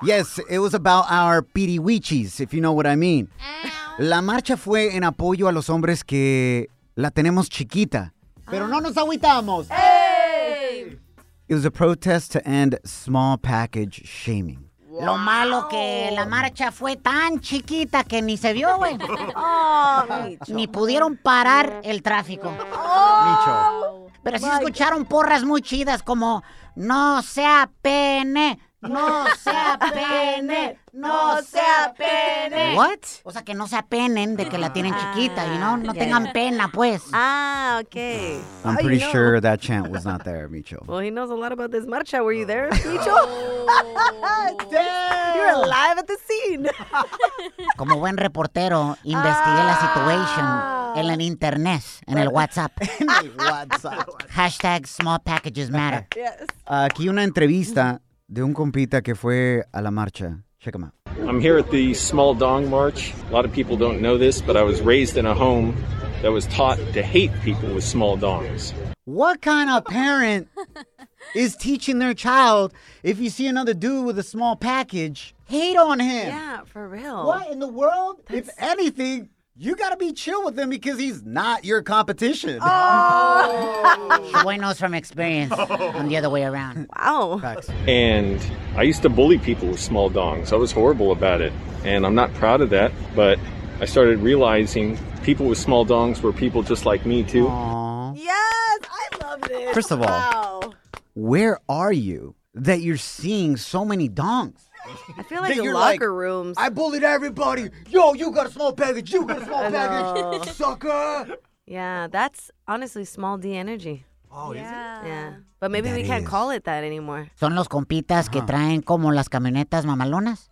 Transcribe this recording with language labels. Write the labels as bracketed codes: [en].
[en] Yes, it was about our pirihuichis, if you know what I mean. [es] La marcha fue en apoyo a los hombres que la tenemos chiquita. Pero no nos agüitamos. Hey! [en] It was a protest to end small package shaming. Wow. [es] Lo malo que la marcha fue tan chiquita que ni se vio, güey. Ni pudieron parar el tráfico. Micho. Pero sí escucharon porras muy chidas como, no sea pene, no sea pene, no sea pene. [en] What? [es] O sea, que no se apenen de que la tienen chiquita, [en] you know? [es] No tengan pena, pues. [en] Ah, okay. I'm pretty sure that chant was not there, Micho. Well, he knows a lot about this marcha. Were you there, Micho? Damn. You're alive at the scene. [es] Como buen reportero, investigué la situation. En el internet, en el WhatsApp. En el WhatsApp. [en] Hashtag small packages matter. Yes. Aquí una entrevista de un compita que fue a la marcha. Check him out. I'm here at the Small Dong March. A lot of people don't know this, but I was raised in a home that was taught to hate people with small dongs. What kind of parent is teaching their child, if you see another dude with a small package, hate on him? Yeah, for real. What in the world? That's... If anything... You gotta be chill with him because he's not your competition. Oh! Shaboy knows from experience. I'm the other way around. Wow. And I used to bully people with small dongs. I was horrible about it. And I'm not proud of that. But I started realizing people with small dongs were people just like me, too. Aww. Yes! I love this. First of all, where are you that you're seeing so many dongs? I feel like the locker rooms. I bullied everybody. Yo, you got a small package. You got a small package. Sucker. Yeah, that's honestly small D energy. Oh, yeah. Is it? Yeah. But maybe we can't call it that anymore. [es] Son los compitas que traen como las camionetas mamalonas.